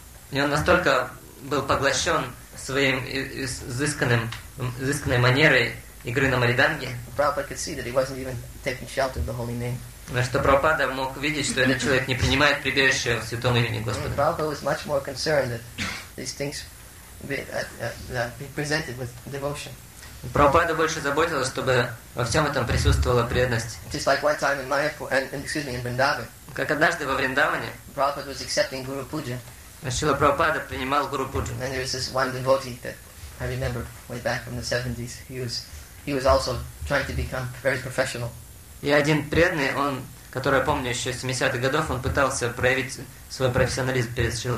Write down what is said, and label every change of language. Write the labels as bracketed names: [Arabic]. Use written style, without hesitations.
[Russian] И он настолько был поглощен своим изысканной манерой игры на мариданге. Прабхупада мог видеть, что он не даже не взял защиту Святого Имени. Что Прабхупада мог видеть, что этот человек не принимает прибежище в Святом Имени Господа. [English] Прабхупада was much more concerned that these things be presented with devotion. [Russian] Прабхупада больше заботился, чтобы во всем этом присутствовала преданность. [English] Just like one time in Mayapur, in Vrindavan. [Russian] Как однажды во Вриндаване. [English] Prabhupada was accepting Guru Puja. [Russian] Шрила Прабхупада принимал Гуру Пуджу. [English] And there was this one devotee that I remember way back from the 70s. He was also trying to become very professional. [Russian] И один преданный, он, который я помню еще с 70-х годов, он пытался проявить свой профессионализм перед Шрилой